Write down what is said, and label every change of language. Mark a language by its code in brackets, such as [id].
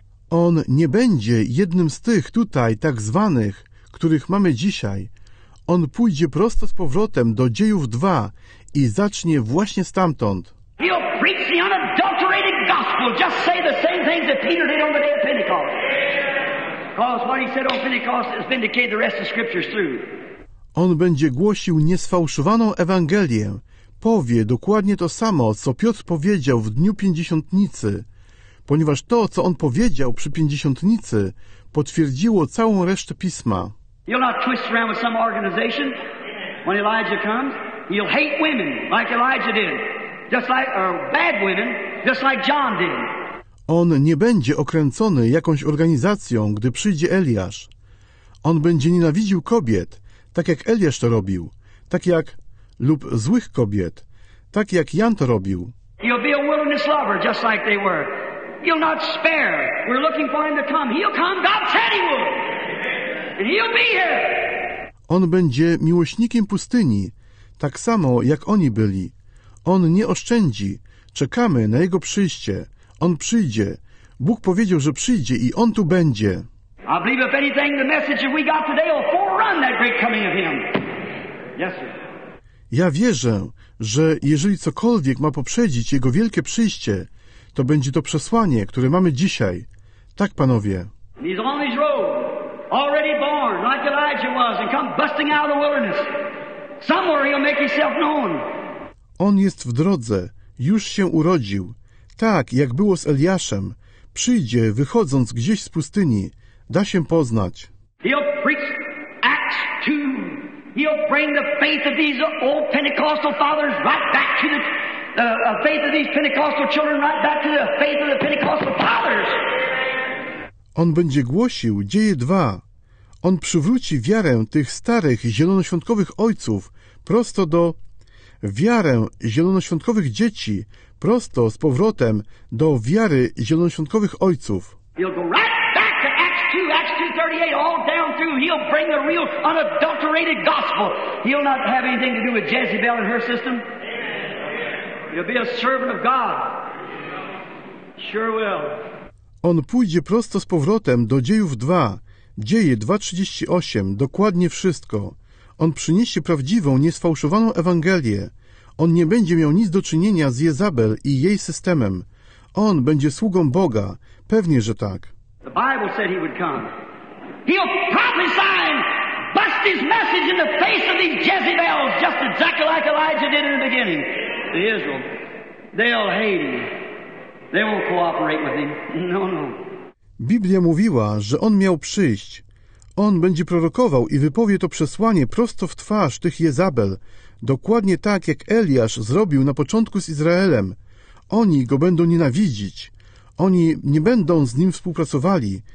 [pl] On nie będzie jednym z tych tutaj tak zwanych, których mamy dzisiaj. On pójdzie prosto z powrotem do Dziejów 2 i zacznie właśnie stamtąd. [en] He'll preach the unadulterated gospel. Just say the same things that Peter did on the day of Pentecost. Because what he said on Pentecost has vindicated the rest of scriptures through. [pl] On będzie głosił niesfałszowaną Ewangelię. Powie dokładnie to samo, co Piotr powiedział w dniu Pięćdziesiątnicy, ponieważ to, co on powiedział przy Pięćdziesiątnicy, potwierdziło całą resztę Pisma. [en] He'll not twist around with some organization when Elijah comes. He'll hate women like Elijah did. Just like, or bad women, just like John did. [pl] On nie będzie okręcony jakąś organizacją, gdy przyjdzie Eliasz. On będzie nienawidził kobiet, tak jak Eliasz to robił, tak jak lub złych kobiet, tak jak Jan to robił. [en] He'll be a wilderness lover, just like they were. He'll not spare. We're looking for him to come. He'll come, God said he would. And he'll be here. [pl] On będzie miłośnikiem pustyni, tak samo jak oni byli. On nie oszczędzi. Czekamy na jego przyjście. On przyjdzie. Bóg powiedział, że przyjdzie i on tu będzie. [en] I believe if anything the message that we got today will forerun that great coming of him. Yes, sir. [pl] Ja wierzę, że jeżeli cokolwiek ma poprzedzić jego wielkie przyjście, to będzie to przesłanie, które mamy dzisiaj. Tak, panowie. [en] He's on his road, already born, like Elijah was, and come busting out of the wilderness. Somewhere he'll make himself known. [pl] On jest w drodze, już się urodził. Tak, jak było z Eliaszem. Przyjdzie, wychodząc gdzieś z pustyni. Da się poznać. [en] He'll preach Acts 2. He'll bring the faith of these old Pentecostal fathers right back to the faith of these Pentecostal children right back to the faith of the Pentecostal fathers. [pl] On będzie głosił Dzieje 2. On przywróci wiarę tych starych, zielonoświątkowych ojców prosto do... wiarę zielonoświątkowych dzieci prosto z powrotem do wiary zielonoświątkowych ojców. [en] He'll go right back to Acts 2:38, all down through. He'll bring the real unadulterated gospel. He'll not have anything to do with Jezebel and her system. He'll be a servant of God. Sure will. [pl] On pójdzie prosto z powrotem do Dziejów 2, Dzieje 2:38, dokładnie wszystko. On przyniesie prawdziwą, niesfałszowaną Ewangelię. On nie będzie miał nic do czynienia z Jezabel i jej systemem. On będzie sługą Boga. Pewnie, że tak. [en] The Bible said he would come. He'll prophesy and bust his message in the face of these Jezebels, just exactly like Elijah did in the beginning. The Israel, they'll hate him. They won't cooperate with him. No, no. [pl] Biblia mówiła, że on miał przyjść. On będzie prorokował i wypowie to przesłanie prosto w twarz tych Jezabel, dokładnie tak, jak Eliasz zrobił na początku z Izraelem. Oni go będą nienawidzić. Oni nie będą z nim współpracowali.